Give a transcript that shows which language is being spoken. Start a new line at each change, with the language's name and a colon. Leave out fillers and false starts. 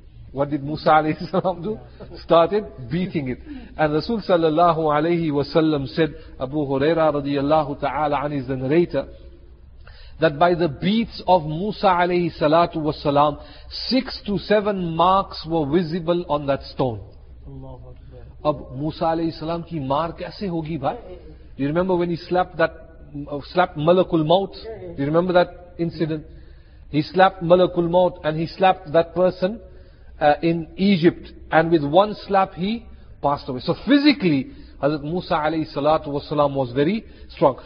English: What did Musa alayhi salam do? Started beating it. And Rasul sallallahu alayhi wa sallam said, Abu Huraira radiallahu ta'ala an is the narrator, that by the beats of Musa alayhi salatu was salam, 6 to 7 marks were visible on that stone.
Urdu: اب موسیٰ علیہ السلام کی مار کیسے ہوگی بھائی؟
English: Do you remember when he slapped that, slapped Malakul Maut? Do you remember that incident? He slapped Malakul Maut and he slapped that person in Egypt, and with one slap he passed away. So physically, Hazrat Musa alayhi salatu wa salam was very strong.